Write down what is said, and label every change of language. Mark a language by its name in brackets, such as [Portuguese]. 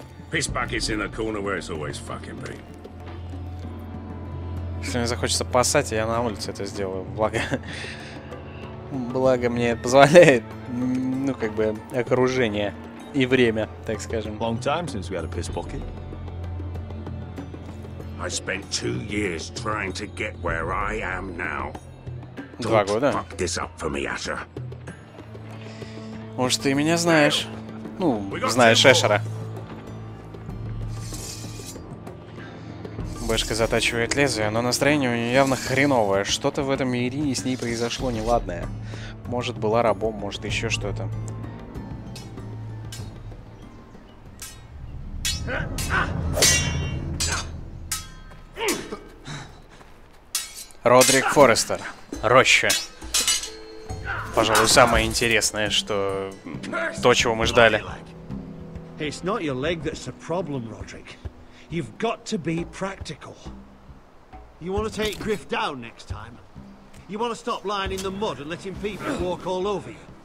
[English] Piss buckets in the corner where it's always fucking been. [Russian] Если мне захочется поссать, я на улице это сделаю. Благо. Благо мне позволяет, ну, как бы, окружение и время, так скажем. [English] Long time since we had a piss pocket. I spent 2 years trying to get where I am now. [Russian] Два года. [English] Fuck this up for me, Asher. [Russian] Может, ты меня знаешь. Ну, знаешь Эшера. Бэшка затачивает лезвие, но настроение у нее явно хреновое. Что-то в этом Ирине с ней произошло неладное. Может, была рабом, может, еще что-то. Родрик Форестер. Роща. Пожалуй, самое интересное, что... То, чего мы ждали. [English] It's not your leg that's a problem, Roderick. You've got to be practical. You want to take Griff down next time? You want to stop lying in the mud and letting people walk all over you?